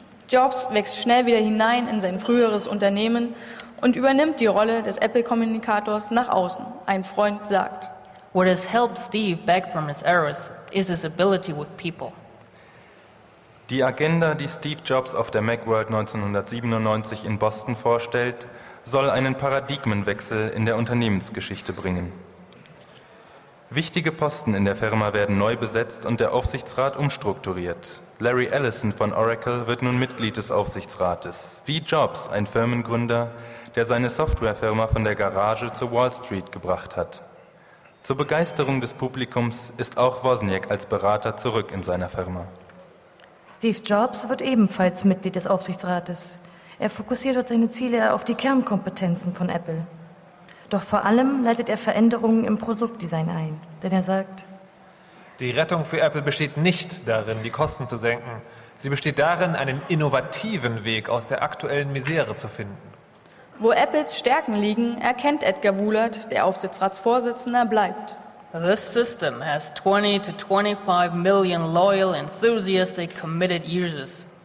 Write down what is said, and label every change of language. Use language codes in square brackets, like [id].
[de] Jobs wächst schnell wieder hinein in sein früheres Unternehmen und übernimmt die Rolle des Apple-Kommunikators nach außen. Ein Freund sagt: [en] What has helped Steve back from his errors is his ability with people. [de] Die Agenda, die Steve Jobs auf der Macworld 1997 in Boston vorstellt, soll einen Paradigmenwechsel in der Unternehmensgeschichte bringen. Wichtige Posten in der Firma werden neu besetzt und der Aufsichtsrat umstrukturiert. Larry Ellison von Oracle wird nun Mitglied des Aufsichtsrates. Wie Jobs, ein Firmengründer, der seine Softwarefirma von der Garage zur Wall Street gebracht hat. Zur Begeisterung des Publikums ist auch Wozniak als Berater zurück in seiner Firma. Steve Jobs wird ebenfalls Mitglied des Aufsichtsrates. Er fokussiert dort seine Ziele auf die Kernkompetenzen von Apple. Doch vor allem leitet er Veränderungen im Produktdesign ein, denn er sagt: Die Rettung für Apple besteht nicht darin, die Kosten zu senken. Sie besteht darin, einen innovativen Weg aus der aktuellen Misere zu finden. Wo Apples Stärken liegen, erkennt Edgar Wohlert, der Aufsichtsratsvorsitzender, bleibt. [en] This system has 20 to 25 million loyal, enthusiastic, committed users.